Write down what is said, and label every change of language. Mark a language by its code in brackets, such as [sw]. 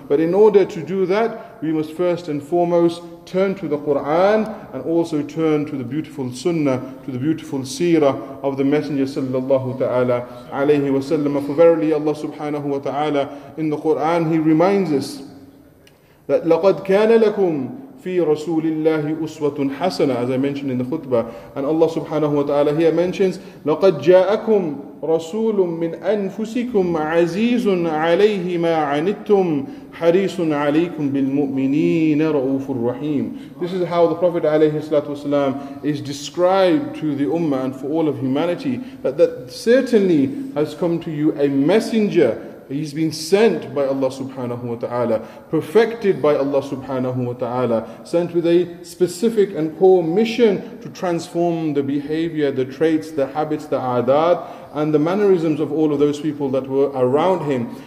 [en] But in order to do that, we must first and foremost turn to the Qur'an, and also turn to the beautiful Sunnah, to the beautiful Seerah of the Messenger sallallahu ta'ala alayhi wa sallam. For verily Allah subhanahu wa ta'ala in the Qur'an, He reminds us that [ar] لَقَدْ كَانَ لَكُمْ فِي رَسُولِ اللَّهِ أُسْوَةٌ حَسَنَةٌ, [en] as I mentioned in the khutbah. And Allah subhanahu wa ta'ala here mentions [ar] لَقَدْ جَاءَكُمْ رَسُولٌ مِّنْ أَنفُسِكُمْ عَزِيزٌ عَلَيْهِ مَا عَنِتُّمْ حَرِيصٌ عَلَيْكُمْ بِالْمُؤْمِنِينَ رَؤُوفٌ رَحِيمٌ. [en] This is how the Prophet alayhi salatu wasalam is described to the ummah and for all of humanity, that certainly has come to you a messenger. He's been sent by Allah subhanahu wa ta'ala, perfected by Allah subhanahu wa ta'ala, sent with a specific and core mission to transform the behavior, the traits, the habits, the adat, and the mannerisms of all of those people that were around him.